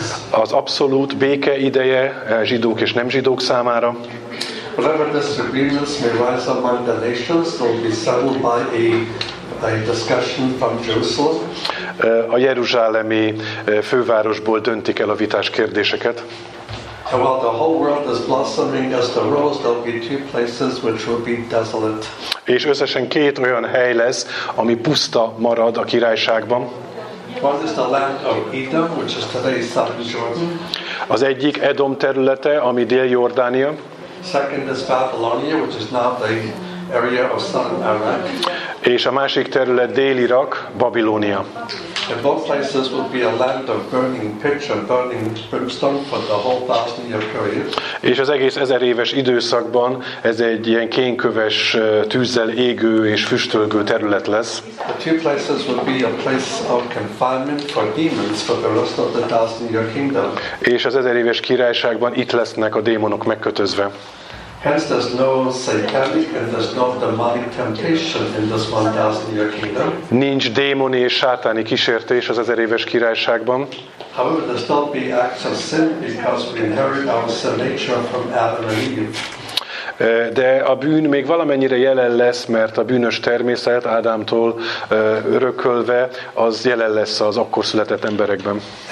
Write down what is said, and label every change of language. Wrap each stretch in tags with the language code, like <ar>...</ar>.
<hu>Az abszolút béke ideje zsidók és nem zsidók számára.</hu> <en>Whatever disagreements may rise among the nations, they'll be settled by a discussion from Jerusalem.</en> <hu>A jeruzsálemi fővárosból döntik el a vitás kérdéseket.</hu> <en>While the whole world is blossoming as the rose, there'll be two places which will be desolate.</en> <hu>És összesen két olyan hely lesz, ami puszta marad a királyságban.</hu> <en>One is the land of Edom, which is today southern Jordan.</en> <hu>Az egyik Edom területe, ami Dél-Jordánia.</hu> <en>Second is Babylonia, which is now the area of southern Iraq.</en> <hu>És a másik terület Dél-Irak, Babilónia.</hu> <en>In both places will be a land of burning pitch and burning brimstone for the whole 1,000-year period.</en> <hu>És az egész 1000 éves időszakban ez egy ilyen kénköves, tűzzel égő és füstölgő terület lesz.</hu> <en>The two places will be a place of confinement for demons for the rest of the 1,000-year kingdom.</en> <hu>És az 1000 éves királyságban itt lesznek a démonok megkötözve.</hu> <en>Hence there's no satanic and there's no demonic temptation in this 1,000-year kingdom.</en> <hu>Nincs démoni és sátáni kísértés az 1000 éves királyságban.</hu> <en>However, there's not be acts of sin because we inherit our sin nature from Adam and Eve.</en> <hu>De a bűn még valamennyire jelen lesz, mert a bűnös természet Ádámtól örökölve az jelen lesz az akkor született emberekben.</hu>